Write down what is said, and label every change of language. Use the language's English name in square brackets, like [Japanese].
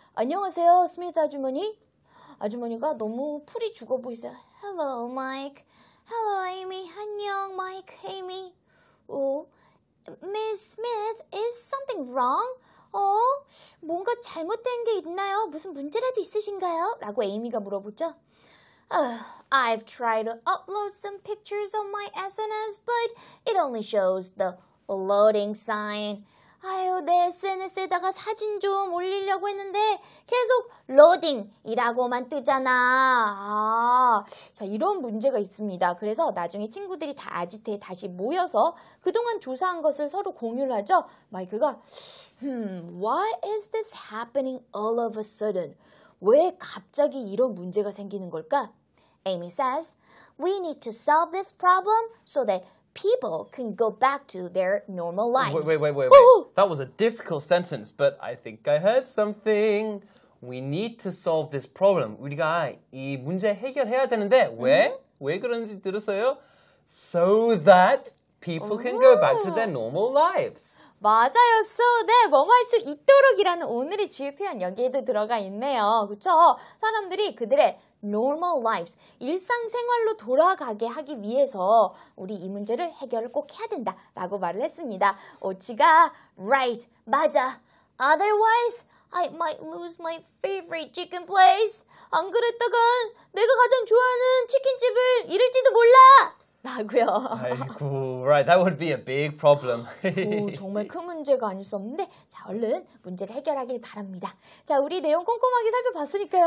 [Korean] 안녕하세요, 스미스 아주머니. 아주머니가 너무 풀이 죽어 보이세요. [English] Hello, Mike. Hello, Amy. [Korean] 안녕, [English] Mike, Amy. Oh, Miss Smith, is something wrong? [Korean] 어? 뭔가 잘못된 게 있나요? 무슨 문제라도 있으신가요? 라고 에이미가 물어보죠. [English] I've tried to upload some pictures on my SNS, but it only shows the loading sign. [Korean] 아유, 내 SNS에다가 사진 좀 올리려고 했는데 계속 로딩이라고만 뜨잖아. 아, 자, 이런 문제가 있습니다. 그래서 나중에 친구들이 다 아지트에 다시 모여서 그동안 조사한 것을 서로 공유를 하죠. 마이크가 [English] Why is this happening all of a sudden? [Korean] 왜 갑자기 이런 문제가 생기는 걸까? [English] Amy says, We need to solve this problem so that people can go back to their normal lives. Wait. Ooh! That was a difficult sentence, but I think I heard something. We need to solve this problem. [Korean] 우리가 이 문제 해결해야 되는데 왜? Mm-hmm. 왜 그런지 들었어요? [English] So that people can go back to their normal lives. [Korean] 맞아요. [English] So that [Korean] 뭐뭐 할 수 있도록이라는 오늘의 주요 표현 여기에도 들어가 있네요. 그렇죠? 사람들이 그들의 normal lives, 일상생활로 돌아가게 하기 위해서 우리 이 문제를 해결을 꼭 해야 된다라고 말을 했습니다. 오치가 [English] right, [Korean] 맞아. [English] Otherwise, I might lose my favorite chicken place. [Korean] 안 그랬다간 내가 가장 좋아하는 치킨집을 잃을지도 몰라! 라고요. [English] 아이고, right, that would be a big problem. [Korean] 오, 정말 큰 문제가 아닐 수 없는데, 자, 얼른 문제를 해결하길 바랍니다. 자, 우리 내용 꼼꼼하게 살펴봤으니까요.